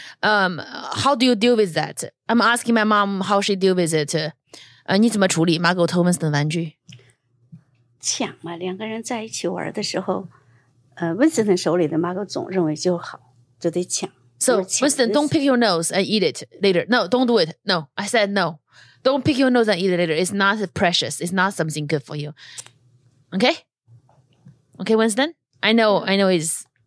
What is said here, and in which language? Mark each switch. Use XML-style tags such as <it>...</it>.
<en>How do you deal with that? I'm asking my mom how she deal with it.</en> <zh>你怎么处理 Margo 偷 Winston 玩具？抢嘛，两个人在一起玩的时候，Winston 手里的 Margo 总认为就好，就得抢。</zh> <en>So Winston, don't pick your nose and eat it later. No, don't do it. No, I said no. Don't pick your nose and eat it later. It's not precious. It's not something good for you. Okay? Okay, Winston? I know it's...</en>